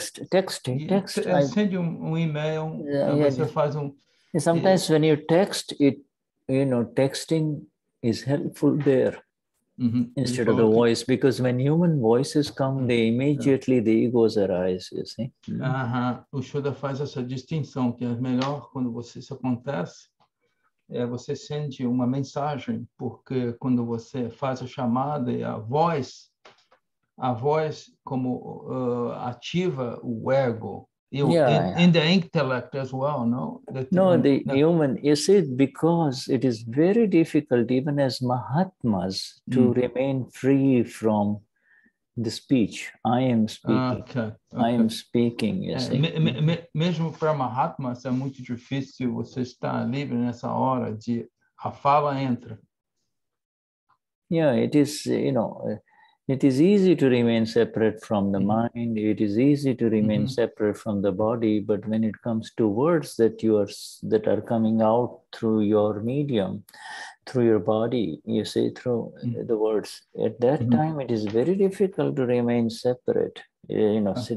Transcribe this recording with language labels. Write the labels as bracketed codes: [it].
[en] Text. [pt] Send um e-mail, faz um... [en] And sometimes when you text, texting is helpful there. instead of the voice, because when human voices come, they immediately the egos arise, you see. [pt] O Shuddha faz essa distinção, que é melhor quando você isso acontece, é você sente uma mensagem, porque quando você faz a chamada e a voz como ativa o ego. [en] In the intellect as well, no? The human, you see, because it is very difficult, even as Mahatmas, to remain free from the speech. I am speaking. Okay. I am speaking, you see. [pt] Mesmo para Mahatmas, é muito difícil você estar livre nessa hora de a fala entra. [en] Yeah, it is, you know. It is easy to remain separate from the mind. It is easy to remain separate from the body. But when it comes to words that are coming out through your medium, through your body, you see, through the words, at that time, it is very difficult to remain separate. You know, okay.